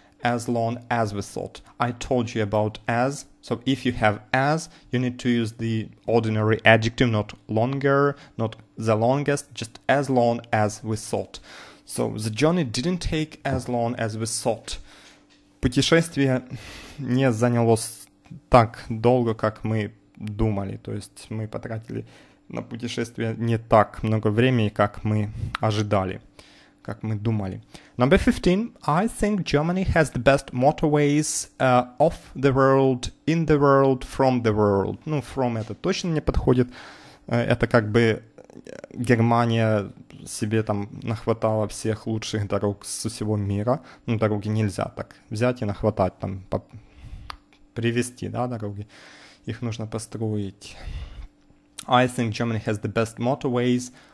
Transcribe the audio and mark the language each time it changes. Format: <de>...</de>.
<en>As long as we thought. I told you about as. So if you have as, you need to use the ordinary adjective, not longer, not the longest, just as long as we thought. So the journey didn't take as long as we thought.</en> <ru>Путешествие не заняло так долго, как мы думали. То есть мы потратили на путешествие не так много времени, как мы ожидали. Как мы думали.</ru> <en>Number 15. I think Germany has the best motorways of the world, in the world, from the world.</en> <ru>Ну, from это точно не подходит. Это как бы Германия себе там нахватала всех лучших дорог со всего мира. Ну, дороги нельзя так взять и нахватать, там, привезти, да, дороги. Их нужно построить.</ru> <en>I think Germany has the best motorways</en>